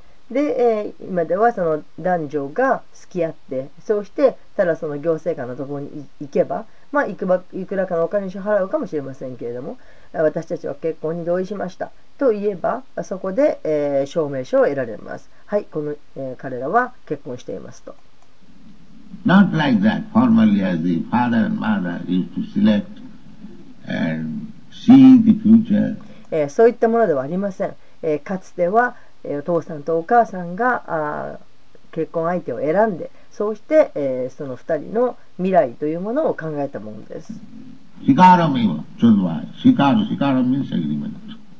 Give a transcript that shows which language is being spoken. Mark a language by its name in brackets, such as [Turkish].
[Japanese] で、今ではその男女が付き合ってそうしてただその行政官のところに行けば、まあ、いくらかのお金を払うかもしれませんけれども私たちは結婚に同意しましたと言えばそこで、証明書を得られます。はい、この、彼らは結婚していますと。 [English] Not like that. Formerly as the father and mother used to select and see the future [Japanese] そういったものではありません。かつては、お父さんとお母さんが結婚相手を選んで、そうして、その二人の未来というものを考えたものです。シカラミー、ちょっと待って、シカラミー、セグリメント。